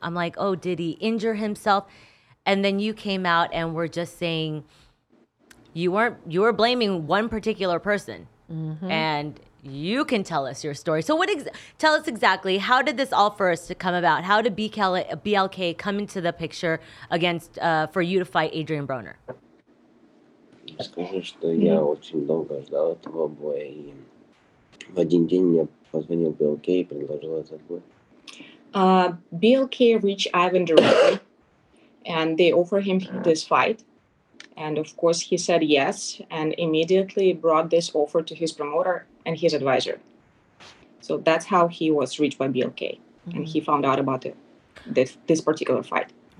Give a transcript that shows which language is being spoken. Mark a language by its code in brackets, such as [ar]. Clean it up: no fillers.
[en] I'm like, oh, did he injure himself? And then you came out and were just saying you were blaming one particular person. Mm-hmm. And you can tell us your story. So tell us exactly, how did this all first come about? How did BLK come into the picture against for you to fight Adrien Broner? [ru] Скажу, что я очень долго ждал этого боя, и в один день мне позвонил BLK и предложил этот бой. [en] BLK reached Ivan directly, and they offered him this fight. And of course, he said yes, and immediately brought this offer to his promoter and his advisor. So that's how he was reached by BLK, mm-hmm. and he found out about this particular fight.